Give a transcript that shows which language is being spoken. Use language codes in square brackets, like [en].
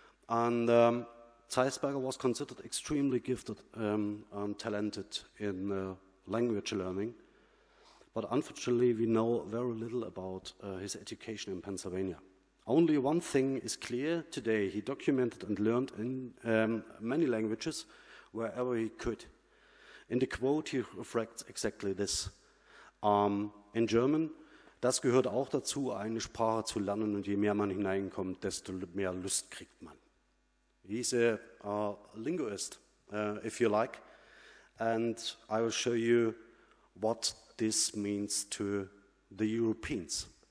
[en] And Zeisberger was considered extremely gifted and talented in language learning. But unfortunately, we know very little about his education in Pennsylvania. Only one thing is clear today. He documented and learned in many languages wherever he could. In the quote, he reflects exactly this. In German, [de] das gehört auch dazu, eine Sprache zu lernen, und je mehr man hineinkommt, desto mehr Lust kriegt man. [en] He's a linguist, if you like, and I will show you what this means to the Europeans.